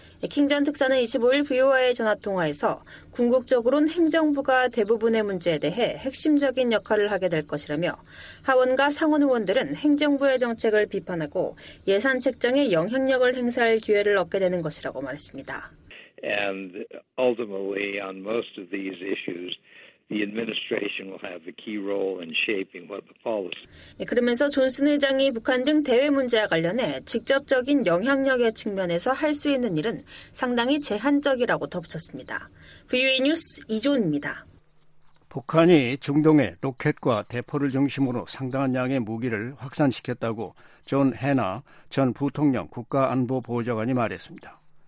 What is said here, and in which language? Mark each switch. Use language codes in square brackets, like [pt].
[ko] 킹 전 특사는 25일 VOA 전화통화에서 궁극적으로는 행정부가 대부분의 문제에 대해 핵심적인 역할을 하게 될 것이라며 하원과 상원 의원들은 행정부의 정책을 비판하고 예산 책정에 영향력을 행사할 기회를 얻게 되는 것이라고 말했습니다. [en] And ultimately on most of these issues, the administration will have the key role in shaping what the policy. [ko] 그러면서 존슨 의장이 북한 등 대외 문제와 관련해 직접적인 영향력의 측면에서 할 수 있는 일은 상당히 제한적이라고 덧붙였습니다. VOA 뉴스 이준입니다. 북한이 중동에 로켓과 대포를 중심으로 상당한 양의 무기를 확산시켰다고 존 해나 전 부통령 국가안보보좌관이 말했습니다.